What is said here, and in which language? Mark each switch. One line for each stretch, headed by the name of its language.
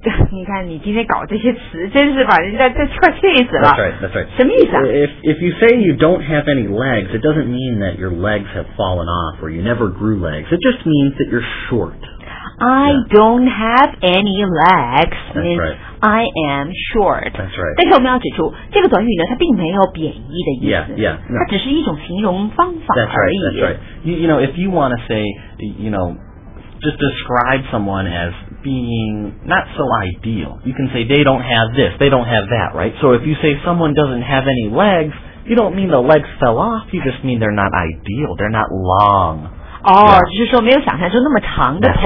Chinese: 你看你今天搞这些词，真是把人家这快气死了。
English: That's right.
Chinese: 什么意思啊
English: ？If you say you don't have any legs, it doesn't mean that your legs have fallen off or you never grew legs. It just means that you're short. I、yeah. don't have any legs. That's right. I am short. That's right.
Chinese: 但是我们要指出，这个短语呢，它并没有贬义的意思。
English: Yeah. No.
Chinese: 它只是一种形容方法而已。
English: That's right. You know, if you want to say, you know. Just describe someone as being not so ideal. You can say they don't have this, they don't have that, right? So if you say someone doesn't have any legs, you don't mean the legs fell off. You just mean they're not ideal. They're not long.
Chinese: Oh, 就是说没有想象中那么长的腿。